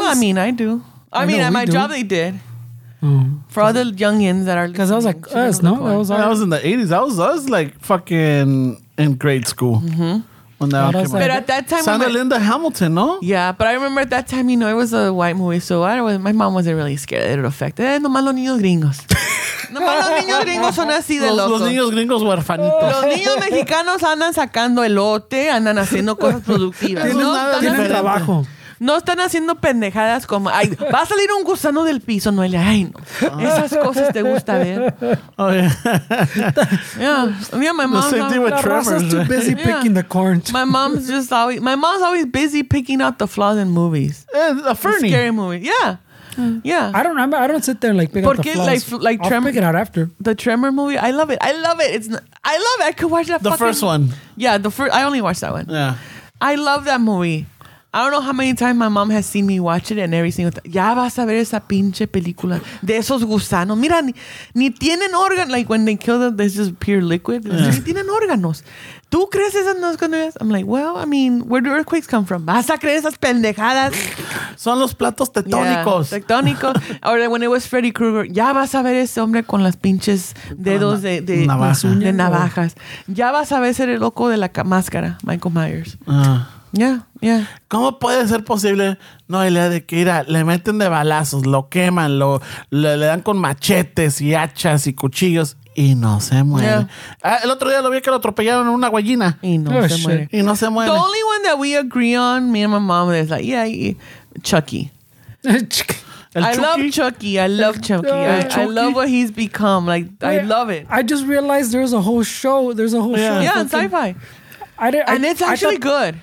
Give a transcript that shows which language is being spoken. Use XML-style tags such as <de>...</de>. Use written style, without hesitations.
<en>Well, I mean, I do. I mean, at my job they did. For all the youngins that are listening. Because I was like, that was in the 80s. I was like fucking in grade school. But at that time,</en> <es>Santa Linda Hamilton, no?</es> <en>Yeah, but I remember at that time, you know, it was a white movie, so my mom wasn't really scared that it would affect.</en> <es>Nomás los niños gringos. Nomás los niños gringos son así de locos. Los niños gringos huerfanitos. Los niños mexicanos andan sacando elote, andan haciendo cosas productivas. Tienen trabajo. No están haciendo pendejadas como, ay, va a salir un gusano del piso, Noelia. Ay, no. Esas cosas te gusta ver.</es> <en>Oh, yeah. Yeah. Yeah, my mom's always too busy picking the corn. My mom's always busy picking out the flaws in movies. A Fernie. Scary movie. Yeah. Yeah. I don't remember. I don't sit there and like pick out the flaws. Like Tremor, I'll pick it out after. The Tremor movie. I love it. I love it. I could watch that the first one. Yeah. The first. I only watched that one. Yeah. I love that movie. I don't know how many times my mom has seen me watch it and every single time.</en> <es>Ya vas a ver esa pinche película de esos gusanos. Mira, ni tienen órganos.</es> <en>Like when they kill them, it's just pure liquid. Yeah.</en> <es>Ni tienen órganos. ¿Tú crees esas no es cuando ves?</es> <en>I'm like, well, I mean, where do earthquakes come from?</en> <es>¿Vas a creer esas pendejadas? Son los platos tectónicos. Yeah, tectónicos.</es> <en>Or when it was</en> <es>Freddy Krueger, ya vas a ver ese hombre con las pinches dedos de navajas. Ya vas a ver ese loco de la máscara, Michael Myers. Yeah. ¿Cómo puede ser posible, Noelia, de que ira, le meten de balazos, lo queman, le dan con machetes y hachas y cuchillos y no se muere? Yeah. El otro día lo vi que lo atropellaron en una gallina. Y no se muere. Y no se muere.</es> <en>The only one that we agree on, me and my mom, is like, yeah, Chucky. I love Chucky. I love what he's become. Like, yeah. I love it. I just realized there's a whole show. Yeah, on Sci-Fi. It's actually good.</en>